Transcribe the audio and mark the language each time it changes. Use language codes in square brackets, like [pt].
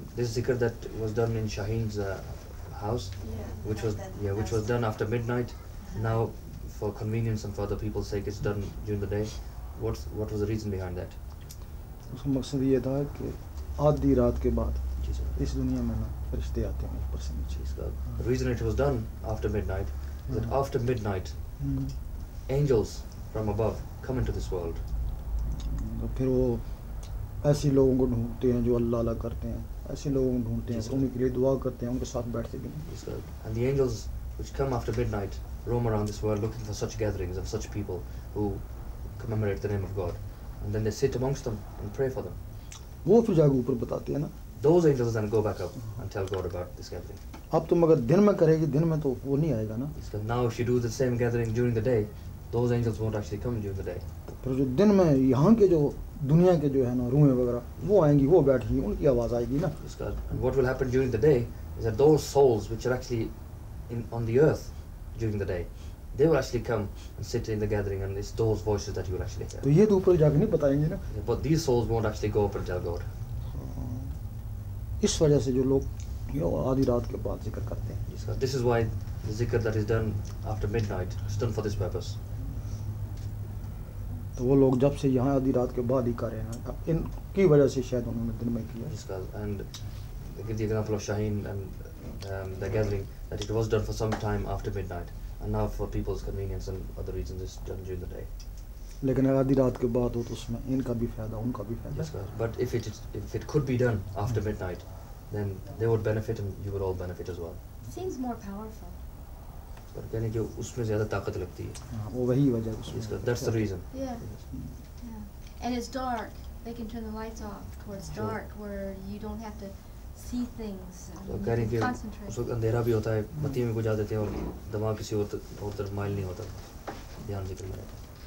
[en] This ذکر that was done in Shaheen's house which was یا which was done after midnight, now for convenience and for the people's sake it's done during the day, what was the reason behind that? [ur] اس کا مقصد یہ تھا کہ آدھی رات کے بعد اس دنیا میں نا فرشتے آتے ہیں اوپر سے نیچے. [en] The reason it was done after midnight is that after midnight angels from above come into this world. [ur] پھر وہ ایسے لوگوں کو ڈھونڈتے ہیں جو اللہ اللہ کرتے ہیں, ایسے لوگوں کو ڈھونڈتے ہیں ان کے لیے دعا کرتے ہیں, ان کے ساتھ بیٹھتے بھی ہیں. [en] And the angels which come after midnight roam around this world looking for such gatherings of such people who commemorate the name of God, and then they sit amongst them and pray for them. [ur] وہ پھر جا کے اوپر بتاتے ہیں نا. [en] Those angels then go back up and tell God about this gathering. [ur] اب تم اگر دن میں کرے گی, دن میں تو وہ نہیں آئے گا نا. [en] Now if you do the same gathering during the day, those angels won't actually come during the day. [ur] پھر جو دن میں یہاں کے جو دنیا کے جو ہے نا روحیں وغیرہ وہ آئیں گی, وہ بیٹھیں گی, ان کی آواز آئے گی نا. [en] And what will happen during the day is that those souls which are actually in on the earth during the day, they will actually come and sit in the gathering, and it's those voices that you will actually hear. [ur] تو یہ تو اوپر جا کے نہیں بتائیں گے نا. [en] But these souls won't actually go up and tell God. [ur] اس وجہ سے جو لوگ آدھی رات کے بعد ذکر کرتے ہیں. [en] This is why the zikr that is done after midnight is done for this purpose. [ur] تو وہ لوگ جب سے یہاں آدھی رات کے بعد ہی کر رہے ہیں, ان کی وجہ سے شاید انہوں نے دن میں کیا. [en] And they give the example of Shaheen and the gathering that it was done for some time after midnight, and now for people's convenience and other reasons it's done during the day. [ur] لیکن اگر آدھی رات کے بعد ہو تو اس میں ان کا بھی فائدہ, ان کا بھی فائدہ. [en] But if it could be done after midnight, then they would benefit and you would all benefit as well. Seems more powerful. [ur] But کہنے کی اس میں زیادہ طاقت لگتی ہے. وہ وہی وجہ ہے. [en] That's the reason. Yeah. And it's dark. They can turn the lights off towards dark where you don't have to see things. [ur] تو کہنے کی اس وقت اندھیرا بھی ہوتا ہے, بتیوں میں بجھا دیتے ہیں اور دماغ کسی اور طرف مائل نہیں ہوتا, دھیان ذکر میں رہتا.